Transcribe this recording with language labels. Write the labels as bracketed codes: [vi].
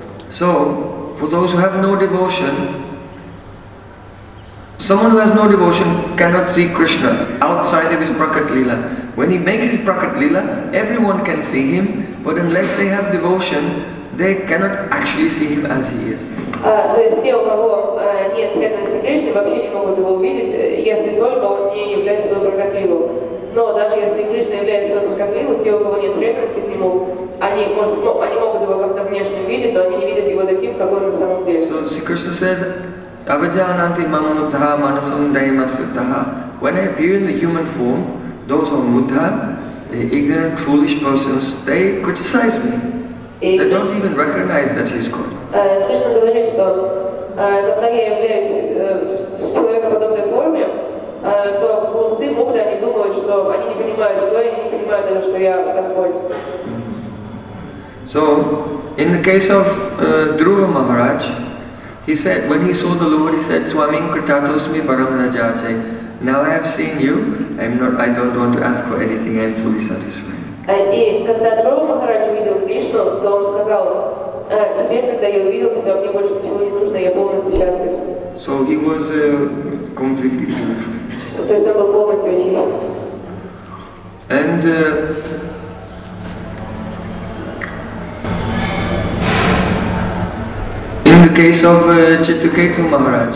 [en] So, for those who have no devotion, someone who has no devotion cannot see Krishna outside of his Prakat Leela. When he makes his Prakat Leela, everyone can see him. But unless they have devotion, they cannot actually see him as he is. [ru] То есть те, у кого нет преданности Кришне, вообще не могут его увидеть, если только он не является своим прокатливым. Но даже если Кришна является своим прокатливым, те, у кого нет преданности к нему, они могут его как-то внешне увидеть, но они не видят его таким, как он на самом деле. [en] So Sri Krishna says, Abhijananti mama muttaha manasam daima suttaha. When I appear in the human form, those who are muttaha, the ignorant, foolish persons, they criticize me. They don't even recognize that he's God. [ru] Krishna говорит, что когда я являюсь в человекоподобной форме, то глупцы, мудрые, они думают, что они не понимают, кто я, они не понимают даже, что я Господь. [en] So, in the case of Dhruva Maharaj, he said, when he saw the Lord, he said, Swami Kritatosmi Paramana Jate. Now I have seen you, I don't want to ask for anything, I am fully satisfied. [ru] И когда Дрова Махарадж увидел Кришну, то он сказал, теперь, когда я увидел тебя, мне больше ничего не нужно, я полностью счастлив. [en] So he was completely satisfied. [ru] То есть он был полностью очищен. [en] And in the case of Chituketu Maharaj.